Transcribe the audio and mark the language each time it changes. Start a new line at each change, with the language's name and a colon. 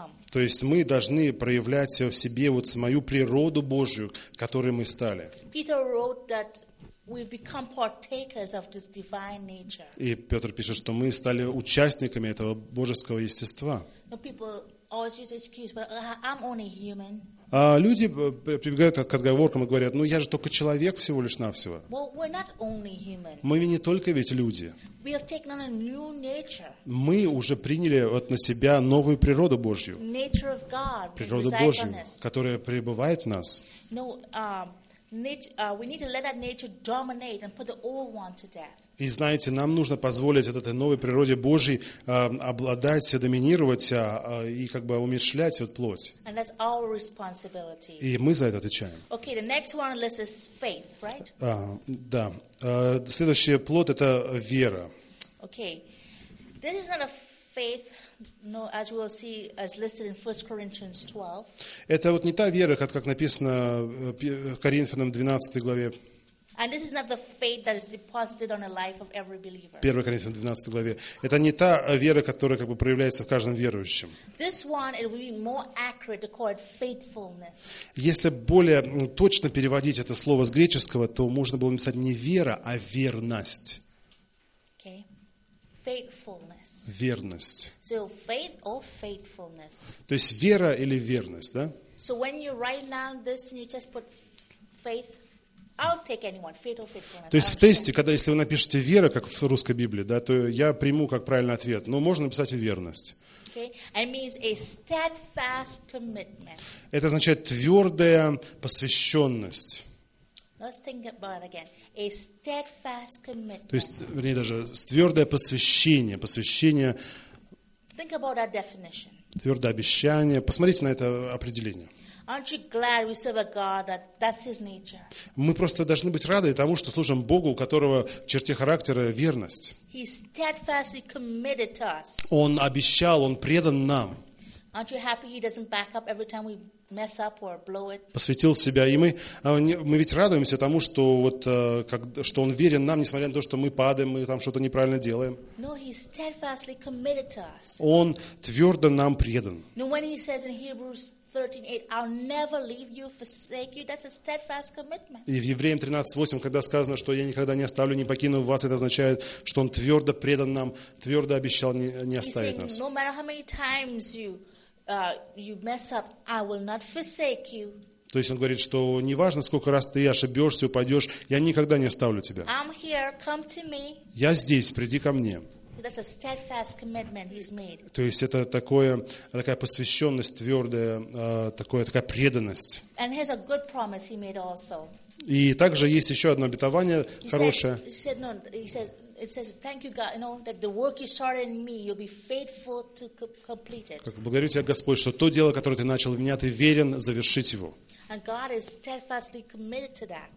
Russian: То есть мы должны проявлять в себе вот свою природу Божию, которой мы стали.
English: Peter wrote that we've become partakers of this divine nature.
Russian: И Петр пишет, что мы стали участниками этого божеского естества.
English: Но people always use excuse, but I'm only human.
Russian: А люди прибегают к отговоркам и говорят, ну я же только человек всего лишь навсего.
English: Well, we're not only human.
Russian: Мы не только ведь люди.
English: We have taken on a new nature.
Russian: Мы уже приняли вот на себя новую природу Божью.
English: Nature of God.
Russian: Природу Божью, которая пребывает в нас.
English: No, we need to let that nature dominate and put the old one to death.
Russian: И знаете, нам нужно позволить этой новой природе Божьей обладать, доминировать и как бы умерщвлять вот плоть.
English: And that's our responsibility.
Russian: И мы за это отвечаем.
English: Okay, the next one on the list is faith, right?
Russian: Да. Следующий плод это вера.
English: Okay, this is not a faith. No, as we'll see, as listed in 1 Corinthians 12.
Russian: Это вот не та вера, как написано в Коринфянам 12 главе.
English: And this is not the faith that is deposited on the life of every believer.
Russian: 1 Коринфянам 12 главе. Это не та вера, которая как бы проявляется в каждом верующем.
English: This one, it would be more accurate to call it faithfulness.
Russian: Если более точно переводить это слово с греческого, то можно было написать не вера, а верность.
English: Okay. Faithfulness.
Russian: Верность.
English: So faith or faithfulness.
Russian: То есть вера или верность, да?
English: So when you write down this and you just put faith, I'll take anyone, faith or faithfulness.
Russian: То есть в тесте, когда если вы напишете вера, как в русской Библии, да, то я приму как правильный ответ. Но можно написать и верность.
English: Okay, and it means a steadfast commitment.
Russian: Это означает твердая посвященность.
English: Let's think about it again. A steadfast commitment.
Russian: То есть, вернее даже твердое посвящение, посвящение.
English: Think about that definition.
Russian: Твердое обещание. Посмотрите на это определение.
English: Aren't you glad we serve a God that that's His nature?
Russian: Мы просто должны быть рады тому, что служим Богу, у которого в черте характера верность.
English: He steadfastly committed to us.
Russian: Он обещал, он предан нам.
English: Aren't you happy He doesn't back up every time we mess up or blow it?
Russian: Посвятил себя, и мы ведь радуемся тому, что вот как что он верен нам, несмотря на то, что мы падаем, мы там что-то неправильно делаем.
English: No, he steadfastly committed to us.
Russian: Он твердо нам предан.
English: No, when he says in Hebrews 13:8, I'll never leave you, forsake you, that's a steadfast commitment.
Russian: И в Евреям 13:8, когда сказано, что я никогда не оставлю, не покину вас, это означает, что он твердо предан нам, твердо обещал не оставить нас.
English: No matter how many times you mess up, I will not forsake you.
Russian: То есть он говорит, что неважно, сколько раз ты ошибешься, упадешь, я никогда не оставлю тебя.
English: I'm here, come to me.
Russian: Я здесь, приди ко мне.
English: That's a steadfast commitment he's made.
Russian: То есть это такая посвященность твердая, такая преданность.
English: And here's a good promise he made also.
Russian: И также есть еще одно обетование хорошее.
English: He said, no, he says, it says, "Thank you, God, you know, that the work you started in me, you'll be faithful to complete it."
Russian: Благодарю тебя, Господь, что то дело, которое ты начал в меня, ты верен завершить его.
English: And God is steadfastly committed to that.